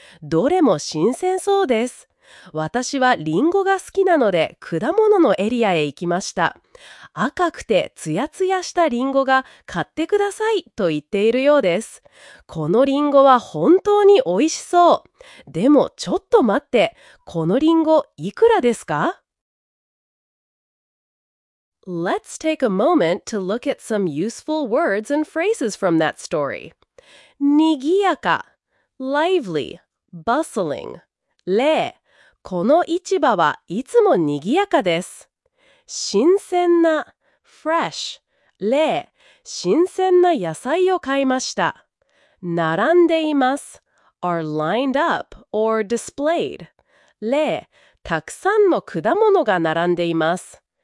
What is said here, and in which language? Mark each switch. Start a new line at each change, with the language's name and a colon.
Japanese: どれも新鮮そうです。私はリンゴが好きなので果物のエリアへ行きました。赤くてツヤツヤしたリンゴが買ってくださいと言っているようです。このリンゴは本当に美味しそう。でもちょっと待って、このリンゴいくらですか？
English: Let's take a moment to look at some useful words and phrases from that story.
Japanese: にぎやか、
English: lively, bustling.
Japanese: 例、この市場はいつもにぎやかです。新鮮な fresh 例新鮮な野菜を買いました。並んでいます
English: are lined up or displayed
Japanese: 例たくさんの果物が並んでいます。